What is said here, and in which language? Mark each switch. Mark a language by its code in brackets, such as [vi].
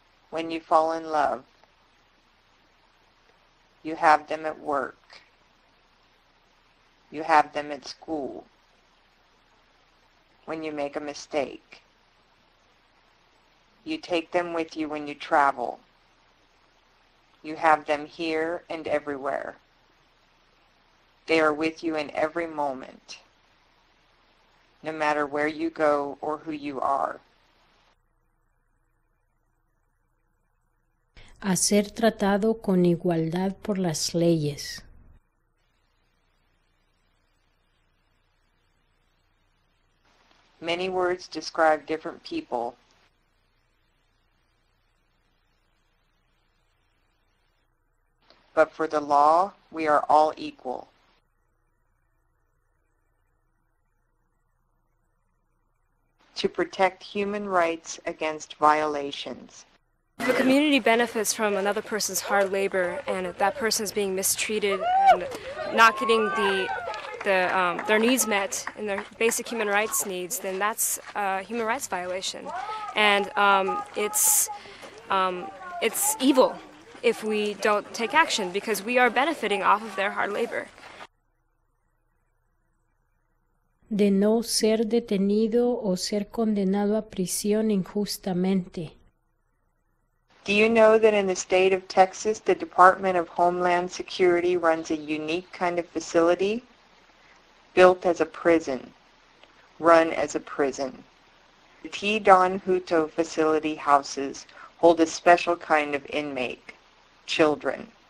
[en] When you fall in love, you have them at work, you have them at school, when you make a mistake, you take them with you when you travel, you have them here and everywhere, they are with you in every moment, no matter where you go or who you are. [es] A ser tratado con igualdad por las leyes. [en] Many words describe different people. But for the law, we are all equal. To protect human rights against violations. If a community benefits from another person's hard labor and if that person is being mistreated and not getting their needs met and their basic human rights needs, then that's a human rights violation. And it's evil if we don't take action because we are benefiting off of their hard labor. [es] De no ser detenido o ser condenado a prisión injustamente. [en] Do you know that in the state of Texas, the Department of Homeland Security runs a unique kind of facility built as a prison, run as a prison? The T. Don Hutto facility houses hold a special kind of inmate, children.